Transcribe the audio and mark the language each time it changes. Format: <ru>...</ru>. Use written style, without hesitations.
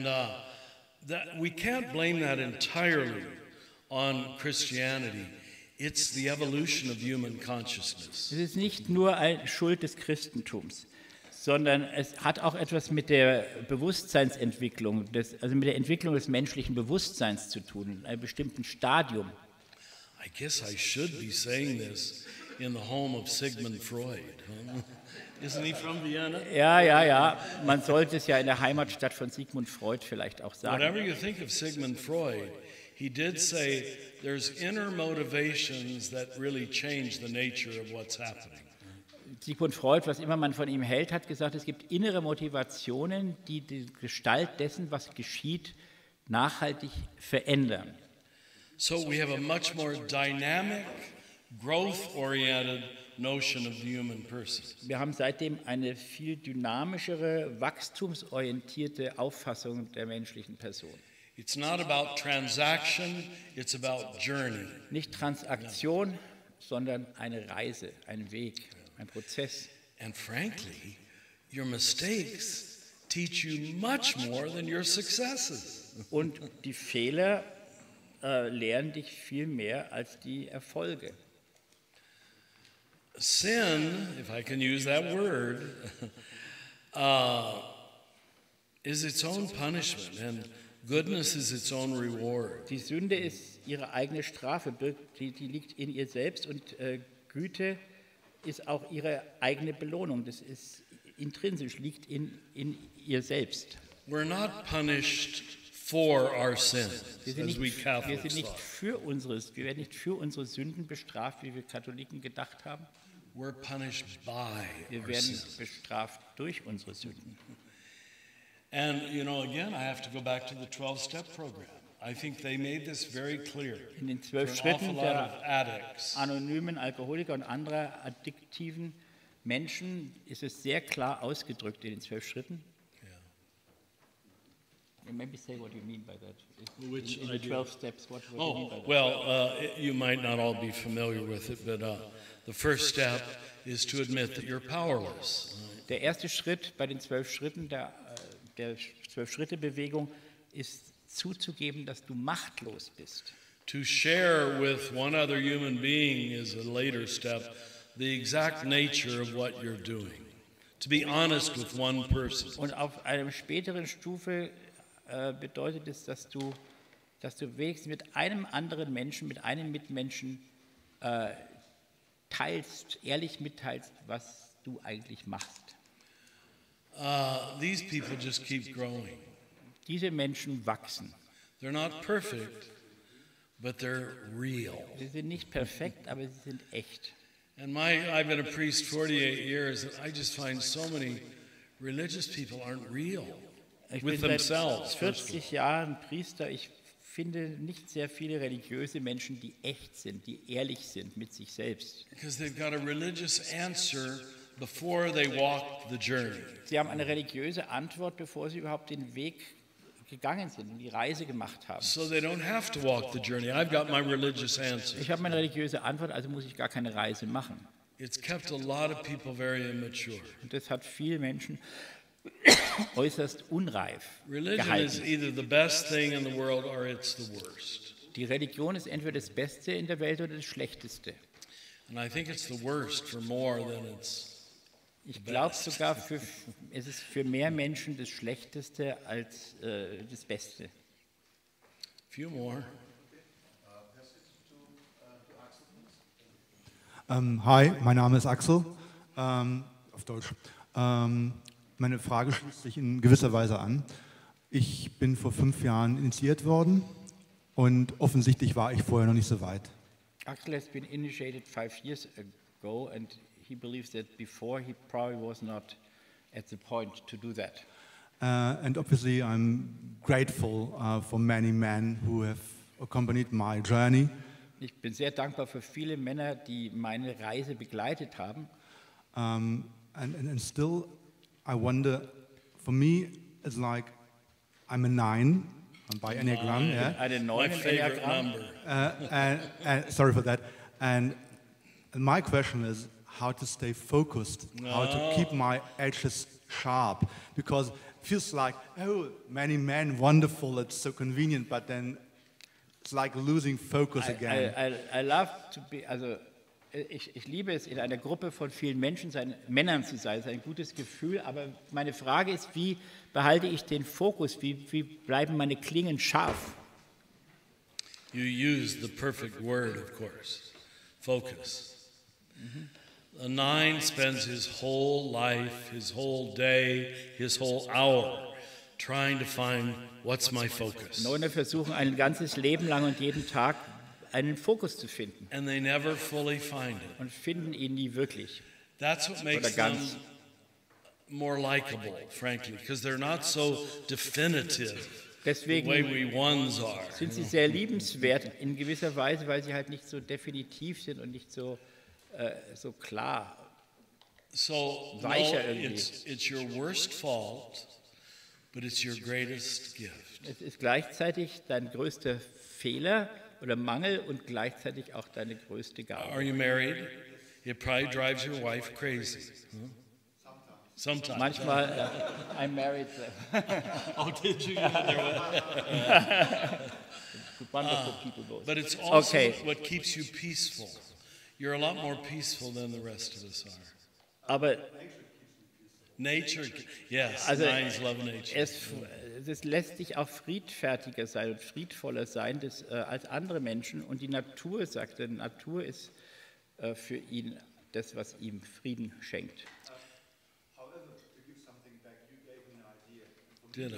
<en>And that we can't blame that entirely on Christianity. It's the evolution of human consciousness.</en> <de>Es ist nicht nur eine Schuld des Christentums, sondern es hat auch etwas mit der Bewusstseinsentwicklung, also mit der Entwicklung des menschlichen Bewusstseins zu tun, in einem bestimmten Stadium.</de> <en>I guess I should be saying this in the home of Sigmund Freud. Huh? Isn't he from Vienna?</en> <de>Ja. Man sollte es ja in der Heimatstadt von Sigmund Freud vielleicht auch sagen.</de> <en>Whatever you think of Sigmund Freud, he did say there's inner motivations that really change the nature of what's happening.</en> <de>Sigmund Freud, was immer man von ihm hält, hat gesagt, es gibt innere Motivationen, die die Gestalt dessen, was geschieht, nachhaltig verändern.</de> <en>So we have a much more dynamic, growth-oriented notion of the human person.</en> <de>Wir haben seitdem eine viel dynamischere, wachstumsorientierte Auffassung der menschlichen Person.</de> <en>It's not about transaction, it's about journey.</en> <de>Nicht Transaktion, sondern eine Reise, ein Weg, ein Prozess.</de> <en>And frankly, your mistakes teach you much more than your successes.</en> <de>Und die Fehler lehren dich viel mehr als die Erfolge.</de> <en>Sin, if I can use that word, is its own punishment and goodness is its own reward.</en> <de>Die Sünde ist ihre eigene Strafe, die liegt in ihr selbst, und Güte ist auch ihre eigene Belohnung. Das ist intrinsisch, liegt in ihr selbst.</de> <en>We're not punished for our sins,</en> <de>wir werden nicht für unsere Sünden bestraft, wie wir Katholiken gedacht haben.</de> <en>We're punished by</en> <de>wir werden bestraft durch unsere Sünden.</de> <en>And you know, again, I have to go back to the 12-step program. I think they made this very clear.</en> <de>In den 12 Schritten der anonymen Alkoholiker und anderer addiktiven Menschen ist es sehr klar ausgedrückt in den 12 Schritten.</de> <en>Yeah. Maybe say what you mean by that. Which in the 12 steps, what do you mean by that? Oh, well, you might not all be familiar with it, but the first step is to admit that you're powerless.</en> <de>Der erste Schritt bei den 12 Schritten der Zwölf-Schritte-Bewegung ist zuzugeben, dass du machtlos bist.</de> <en>To share with one other human being is a later step, the exact nature of what you're doing. To be honest with one person.</en> <de>Und auf einer späteren Stufe bedeutet es, dass du wenigstens mit einem anderen Menschen, mit einem Mitmenschen teilst, ehrlich mitteilst, was du eigentlich machst.</de> <en>these people just keep growing.</en> <de>Diese Menschen wachsen.</de> <en>They're not perfect, but they're real.</en> <de>Sie sind nicht perfekt, aber sie sind echt.</de> <en>And my, I've been a priest 48 years, and I just find so many religious people aren't real with themselves.</en> <de>40 Jahren Priester, ich finde nicht sehr viele religiöse Menschen, die echt sind, die ehrlich sind mit sich selbst.</de> <en>Because they've got a religious answer before they walk the journey.</en> <de>Sie haben eine religiöse Antwort, bevor sie überhaupt den Weg gegangen sind, die Reise gemacht haben.</de> <en>So they don't have to walk the journey. I've got my religious answer.</en> <de>Ich habe meine religiöse Antwort, also muss ich gar keine Reise machen.</de> <en>It's kept a lot of people very immature.</en> <de>Und das hat viele Menschen äußerst unreif gehalten.</de> <en>Religion is either the best thing in the world or it's the worst.</en> <de>Die Religion ist entweder das Beste in der Welt oder das Schlechteste.</de> <en>And I think it's the worst for more than it's.</en> <de>Ich glaube sogar, für, es ist für mehr Menschen das Schlechteste als das Beste.</de> <en>Few more.</en> <de>Hi, mein Name ist Axel. Auf Deutsch. Meine Frage schließt sich in gewisser Weise an. Ich bin vor 5 Jahren initiiert worden und offensichtlich war ich vorher noch nicht so weit.</de> <en>Axel has been initiated 5 years ago and he believes that before he probably was not at the point to do that. And obviously I'm grateful for many men who have accompanied my journey.</en> <de>Ich bin sehr dankbar für viele Männer, die meine Reise begleitet haben.</de> <en>And still I wonder, for me it's like I'm a 9. By Enneagram, yeah. I didn't know my favorite Enneagram number. Sorry for that. And my question is how to stay focused, how to keep my edges sharp, because it feels like, oh, many men, wonderful, it's so convenient, but then it's like losing focus again. I love to be,</en> <de>also, ich liebe es, in einer Gruppe von vielen Menschen, seinen Männern zu sein. Es ist ein gutes Gefühl, aber meine Frage ist, wie behalte ich den Fokus? Wie bleiben meine Klingen scharf?</de> <en>You use the perfect word, of course. Focus. A 9 spends his whole life, his whole day, his whole hour trying to find what's my focus.</en> <de>9er versuchen ein ganzes Leben lang und jeden Tag einen Fokus zu finden.</de> <en>And they never fully find it.</en> <de>Und finden ihn nie wirklich.</de> <en>That's what makes them more likable, frankly, because they're not so definitive.</en> <de>Deswegen</de> <en>the way we ones are.</en> <de>Sind sie sehr liebenswert in gewisser Weise, weil sie halt nicht so definitiv sind und nicht so so klar.</de> <en>So</en> <de>weicher</de> <en>no, it's your worst fault, but it's your greatest gift.</en> <de>Es ist gleichzeitig dein größter Fehler oder Mangel und gleichzeitig auch deine größte Gabe.</de> <en>Are you married? It probably drives your wife crazy. Sometimes.</en> <de>Manchmal,</de> <en>I'm married. Oh, did you? Wonderful people both. But it's also okay. What keeps you peaceful. You're a lot more peaceful than the rest of us are.</en> <de>Aber</de> <en>nature, yes,</en> <de>also,</de> <en>nines love nature.</en> <de>Es lässt dich auch friedfertiger sein und friedvoller sein das, als andere Menschen. Und die Natur, sagt er, die Natur ist für ihn das, was ihm Frieden schenkt.</de> <en>However, to give something back, you gave an idea.</en>